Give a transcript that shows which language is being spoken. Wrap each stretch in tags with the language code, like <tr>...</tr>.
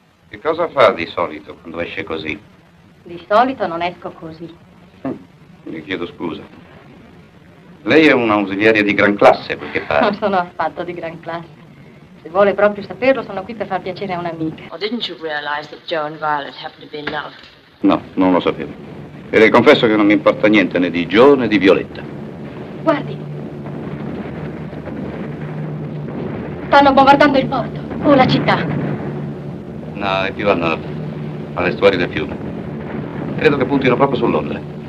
<it>Che cosa fa di solito quando esce così? Di solito non esco così. Le chiedo scusa. Lei è una ausiliaria di gran classe, quel che pare. Non sono affatto di gran classe. Se vuole proprio saperlo, sono qui per far piacere a un'amica.</it> <en>Oh, didn't you realize that Joe and Violet happened to be in love?</en> <it>No, non lo sapevo. E le confesso che non mi importa niente né di Joe né di Violetta. Guardi. Stanno bombardando il porto. O la città. No, è più a nord. All'estuario del fiume. Credo che puntino proprio su Londra.</it>